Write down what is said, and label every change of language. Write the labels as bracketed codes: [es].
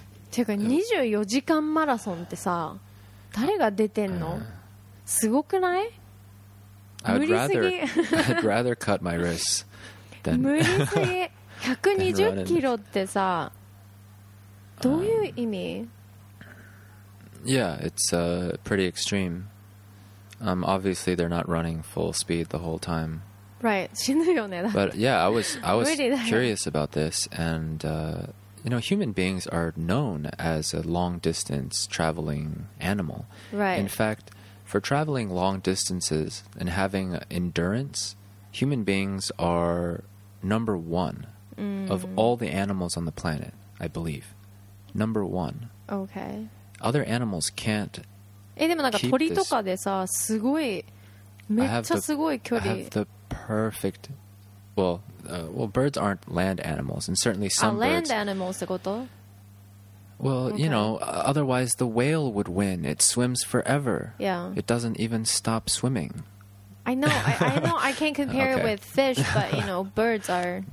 [ja] てか24時間マラソンってさ、誰が出てんの？すごくない？無理すぎ。 [en] I'd rather cut my wrists than [ja] 無理すぎ。 120キロってさ、どういう意味？ [en] Yeah, it's pretty extreme. Obviously, they're not running full speed the whole time. [ja] Right, 死ぬよね。 [en] But yeah, I was curious about this, and you know, human beings are known as a long distance traveling animal. Right. In fact, for traveling long distances and having endurance, human beings are number one. Of all the animals on the planet, I believe. Number one. Okay. Other animals can't. [ja] でもなんか鳥とかでさ、すごい、めっちゃすごい距離。 [en] I have the perfect. Well, birds aren't land animals, and certainly some birds. Land animals [ja] ってこと? [en] Well, you know, otherwise the whale would win. It swims forever. Yeah. It doesn't even stop swimming. I know, I know, I can't compare it with fish, but, you know, birds are